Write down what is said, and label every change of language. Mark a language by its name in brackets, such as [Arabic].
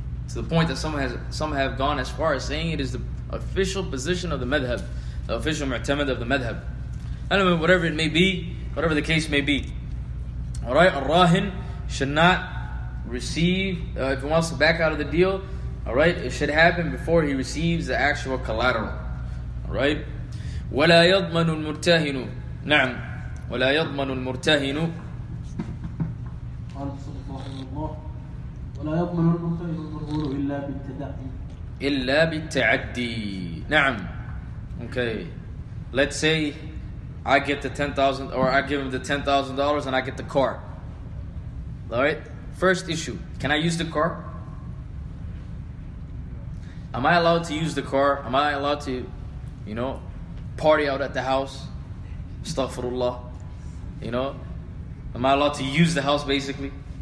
[English] To the point that some have gone as far as saying it is the official position of the madhab, the official mu'tamad of the madhab. I don't know, whatever it may be, whatever the case may be. Alright, al-rahin should not receive, if he wants to back out of the deal, alright, it should happen before he receives the actual collateral. Alright? [Arabic] وَلَا يَضْمَنُ الْمُرْتَهِنُ نعم ولا يضمن المرتهن قال صلى الله عليه وسلم ولا يضمن المرتهن المرهون إلا بالتعدي إلا بالتعدي نعم [English] okay let's say I get the 10,000 or I give him the $10,000 and I get the car alright first issue can I use the car am I allowed to use the car am I allowed to you know party out at the house astaghfirullah You know, am I allowed to use the house basically?